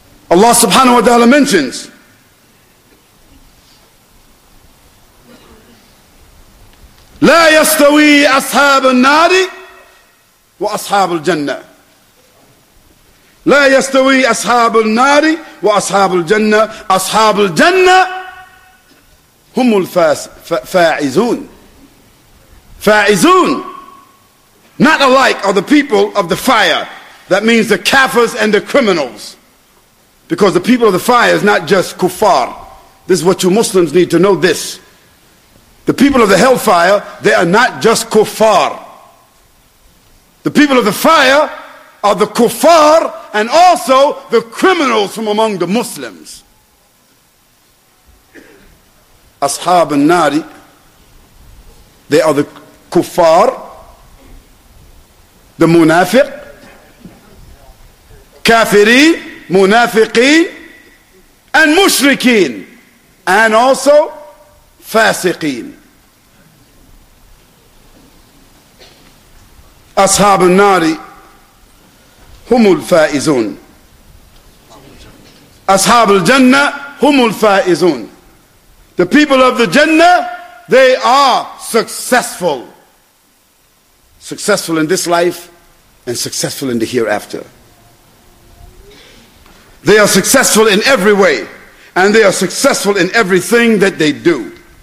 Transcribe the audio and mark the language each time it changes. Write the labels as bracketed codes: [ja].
[ar] Allah subhanahu wa ta'ala mentions, لا يستوي أصحاب النار وأصحاب الجنة. لا يستوي أصحاب النار وأصحاب الجنة. أصحاب الجنة هم الفائزون. فائزون. [en] Not alike are the people of the fire. That means the kafirs and the criminals. Because the people of the fire is not just kuffar. This is what you Muslims need to know this. The people of the hellfire, they are not just kuffar. The people of the fire are the kuffar and also the criminals from among the Muslims. Ashab al-Nari, they are the kuffar, the munafiq, kafiri, munafiqeen, and mushrikeen, and also fasiqeen. [ar] أصحاب النار هم الفائزون أصحاب الجنة هم الفائزون. [en] The people of the Jannah, they are successful. Successful in this life and successful in the hereafter. They are successful in every way and they are successful in everything that they do.